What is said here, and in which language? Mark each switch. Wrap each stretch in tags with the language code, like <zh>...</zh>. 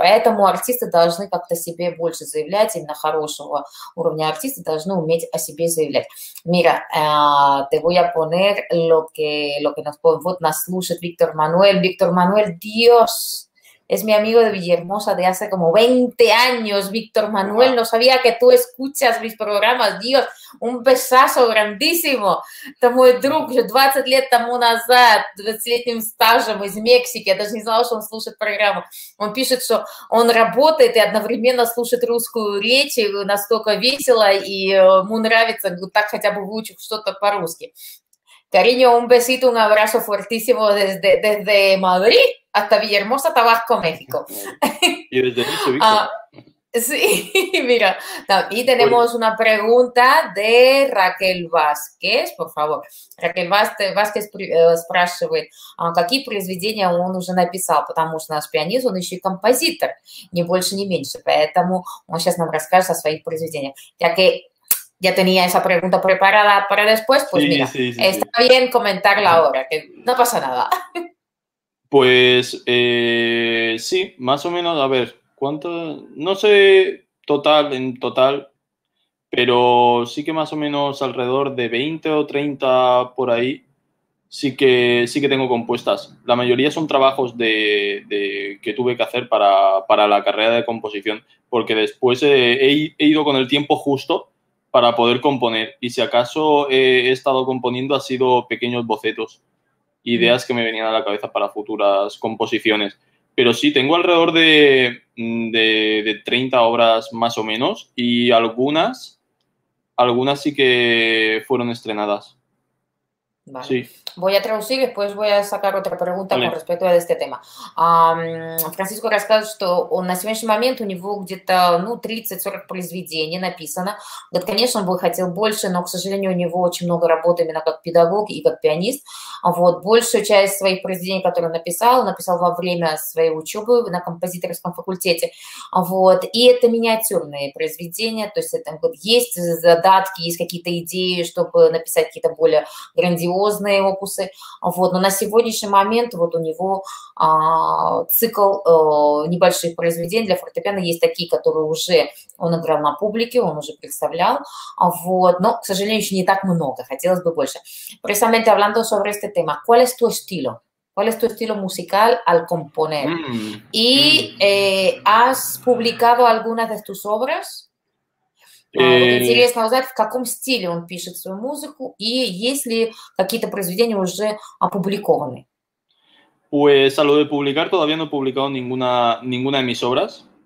<ru>Поэтому артисты должны как-то себе больше заявлять, именно хорошего уровня артисты должны уметь о себе заявлять.</ru> <es>Mira, te voy a poner lo que nos,</es> <ru>вот нас слушает Виктор Мануэль.</ru> <es>Виктор Мануэль, Dios! Es mi amigo de Villahermosa de hace como 20 años, Víctor Manuel. No sabía que tú escuchas mis programas. Dios, un besazo grandísimo.</es> <ru>Это мой друг уже 20 лет тому назад, 20-летним стажем из Мексики. Я даже не знала, что он слушает программу. Он пишет, что он работает и одновременно слушает русскую речь. Настолько весело, и ему нравится, так хотя бы выучить что-то по-русски.</ru> <es>Cariño, un besito, un abrazo fuertísimo desde Madrid. Hasta Villahermosa, Tabasco, México. Y desde Nicho, Víctor. Sí, mira. Y tenemos una pregunta de Raquel Vázquez, por favor.</es> <ru>Raquel Vázquez спрашивает, какие произведения он уже написал, потому что наш пианист, он еще и композитор, ни больше, ни меньше. Поэтому он сейчас нам расскажет о своих произведениях.</ru> <es>Ya que ya tenía esa pregunta preparada para después, pues sí, mira, sí, sí, está sí. Bien comentarla ahora, que no pasa nada. Pues sí, más o menos, a ver, ¿cuánto? No sé total, en total, pero sí que más o menos alrededor de 20 o 30 por ahí, sí que tengo compuestas. La mayoría son trabajos de que tuve que hacer para la carrera de composición, porque después he ido con el tiempo justo para poder componer, y si acaso he estado componiendo, ha sido pequeños bocetos. Ideas que me venían a la cabeza para futuras composiciones. Pero sí, tengo alrededor de 30 obras más o menos y algunas sí que fueron estrenadas. Vale. Sí. Voy a traducir y después voy a sacar otra pregunta con respecto a este tema.</es> <ru>Francisco рассказал, что он на сегодняшний момент у него где-то, ну, 30-40 произведений написано. Вот, конечно, он бы хотел больше, но, к сожалению, у него очень много работы именно как педагог и как пианист. Вот, большую часть своих произведений, которые написал во время своей учебы на композиторском факультете. Вот, и это миниатюрные произведения, то есть это вот есть задатки, есть какие-то идеи, чтобы написать какие-то более грандиозные опусы. Вот, но на сегодняшний момент вот у него цикл небольших произведений для фортепиано. Есть такие, которые уже он играл на публике, он уже представлял. Вот, но, к сожалению, еще не так много, хотелось бы больше.</ru> <es>Precisamente hablando sobre este tema, ¿cuál es tu estilo? ¿Cuál es tu estilo musical al componer? ¿Y has publicado algunas de tus obras?</es> <ru>Интересно узнать, в каком стиле он пишет свою музыку и есть ли какие-то произведения уже опубликованы.</ru> <es>Pues a lo de publicar, todavía no he publicado ninguna de mis obras,</es>